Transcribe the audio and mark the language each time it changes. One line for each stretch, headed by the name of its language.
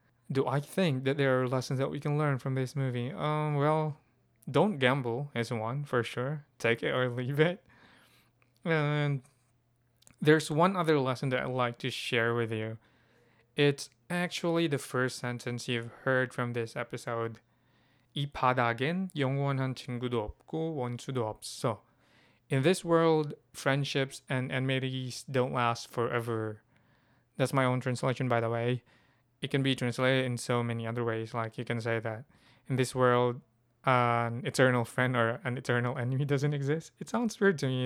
English: Do I think that there are lessons that we can learn from this movie? Well, don't gamble is one, for sure. Take it or leave it. And there's one other lesson that I'd like to share with you. It's actually the first sentence you've heard from this episode.
Korean: 이 바닥엔 영원한 친구도 없고 원수도 없어.
English: In this world, friendships and enmities don't last forever. That's my own translation, by the way. It can be translated in so many other ways. Like, you can say that in this world, an eternal friend or an eternal enemy doesn't exist. It sounds weird to me.